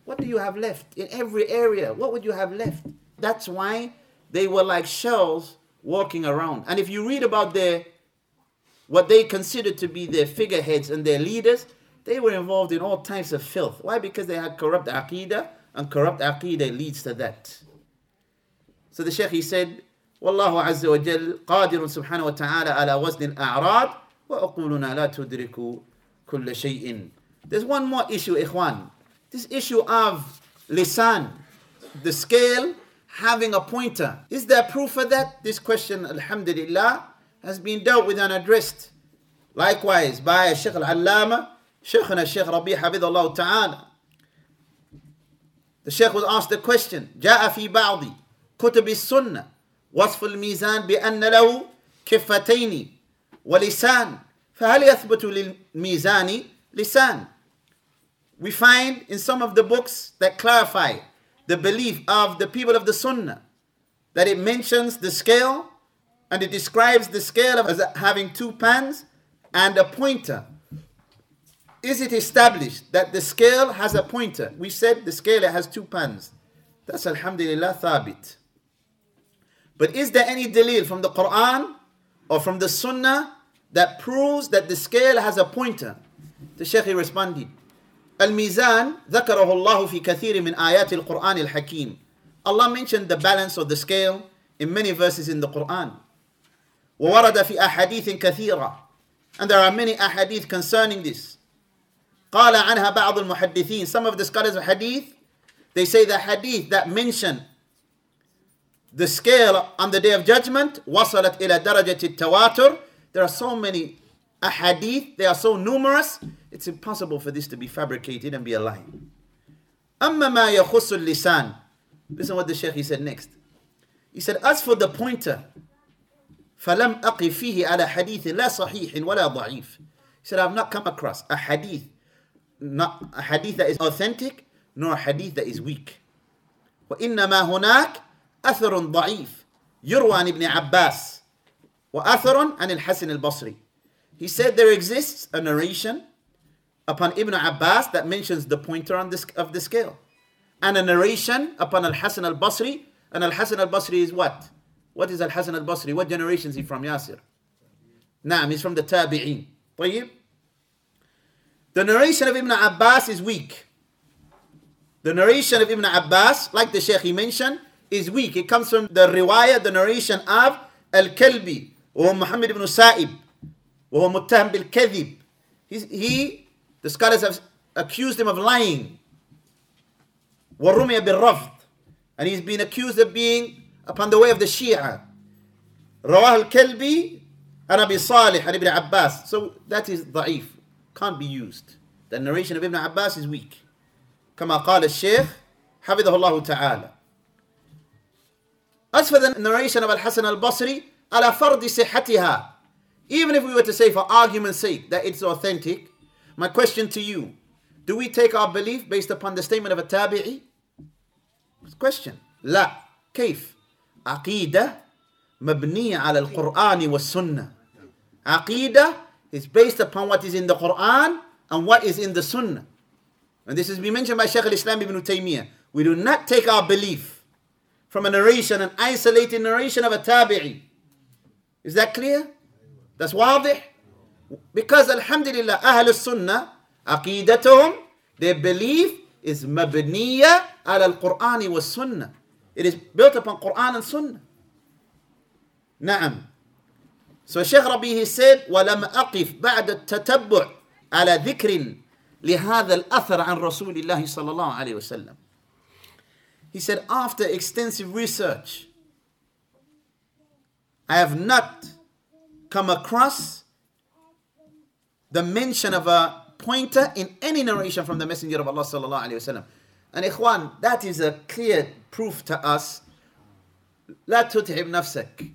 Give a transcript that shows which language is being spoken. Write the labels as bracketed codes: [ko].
[en] What do you have left in every area? What would you have left? That's why they were like shells walking around. And if you read about their, what they considered to be their figureheads and their leaders, they were involved in all types of filth. Why? Because they had corrupt aqidah, and corrupt aqidah leads to that. So the Shaykh, he said, [ar] وَاللَّهُ عَزَّ وَجَلَّ قَادِرٌ سُبْحَانَهُ وَتَعَالَى عَلَى وَزْنِ الْأَعْرَادِ وَأَقُولُنَا لَا تُدْرِكُ كُلَّ شَيْءٍ. [en] There's one more issue, Ikhwan. This issue of lisan, the scale, having a pointer. Is there proof of that? This question, alhamdulillah, has been dealt with and addressed. Likewise, by Shaykh al-Allama, Shaykhuna Shaykh Rabi Habidullah Ta'ala. The Sheikh was asked the question, [ar] جَاءَ فِي بَعْضِ كُتُبِ السُّنَّةِ وَصْفُ الْمِيزَانِ بِأَنَّ لَهُ كِفَّتَيْنِ وَلِسَانِ فَهَلْ يَثْبُتُ لِلْمِيزَانِ لِسَانِ. [en] We find in some of the books that clarify the belief of the people of the Sunnah that it mentions the scale and it describes the scale as having two pans and a pointer. Is it established that the scale has a pointer? We said the scale, it has two pans. That's alhamdulillah thabit. But is there any dalil from the Quran or from the Sunnah that proves that the scale has a pointer? The Sheikh responded, [ar] Al-Mizan ذكره الله في كثير من آيات القرآن الحكيم. [en] Allah mentioned the balance of the scale in many verses in the Quran. [ar] وورد في أحاديث كثيرة. [en] And there are many ahadith concerning this. [ar] قال عنها بعض المحدثين. [en] Some of the scholars of hadith, they say the hadith that mention the scale on the day of judgment [ar] وصلت إلى درجة التواتر. [en] There are so many ahadith, they are so numerous, it's impossible for this to be fabricated and be a lie. [ar] أَمَّا مَا يَخُصُّ اللِّسَانِ. [en] Listen what the Sheikh, he said next. He said, as for the pointer, [ar] فَلَمْ أَقِفْ فِيهِ عَلَى حَدِيثٍ لَا صَحِيحٍ وَلَا ضَعِيفٍ. [en] He said, I've not come across a hadith, not a hadith that is authentic, nor a hadith that is weak. [ar] وَإِنَّمَا هُنَاكَ أَثَرٌ ضَعِيفٌ يُرْوَانِ بْنِ عَبَّاسٍ وَأَثَرٌ عَنِ الْحَسِنِ الْبَصْرِ. [en] He said, there exists a narration upon Ibn Abbas that mentions the pointer on this, of the scale. And a narration upon Al-Hasan al-Basri. And Al-Hasan al-Basri is what? What is Al-Hasan al-Basri? What generation is he from, Yasir? Naam, he's from the Tabi'een. [ar] طيب. [en] The narration of Ibn Abbas is weak. The narration of Ibn Abbas, like the Sheikh he mentioned, is weak. It comes from the riwayah, the narration of Al-Kalbi, or Muhammad ibn Sa'ib. [ar] وهو متهم بالكذب. [en] He, the scholars have accused him of lying. [ar] ورمي بالرفض. [en] And he's been accused of being upon the way of the Shia. [ar] رواه الكلبي عن أبي صالح عن ابن عباس. [en] So that is ضعيف. Can't be used. The narration of Ibn Abbas is weak. [ar] كما قال الشيخ حفظه الله تعالى. [en] As for the narration of Al-Hasan al-Basri, [ar] على فرض صحتها. [en] Even if we were to say, for argument's sake, that it's authentic, my question to you, do we take our belief based upon the statement of a tabi'i? Question. [ar] La. Kayf. Aqidah mabniya ala al-Qur'an wa sunnah. [en] Aqidah is based upon what is in the Qur'an and what is in the sunnah. And this has been mentioned by Shaykh al-Islam ibn Taymiyyah. We do not take our belief from a narration, an isolated narration of a tabi'i. Is that clear? That's wadih. Because alhamdulillah, Ahlul Sunnah, aqidatuhum, their belief is [ar] mabniya ala al-Qur'an wa sunnah. [en] It is built upon Qur'an and sunnah. [ar] Naam. [en] So Shaykh Rabihi said, [ar] وَلَمْ أَقِفْ بَعْدَ التَّتَبُّعْ عَلَى ذِكْرٍ لِهَذَا الْأَثَرْ عَنْ رَسُولِ اللَّهِ صَلَى اللَّهُ عَلَيْهِ وَسَلَّمْ. [en] He said, after extensive research, I have not come across the mention of a pointer in any narration from the Messenger of Allah sallallahu alayhi wa sallam. And ikhwan, that is a clear proof to us. [ar] La tut'ib nafsak.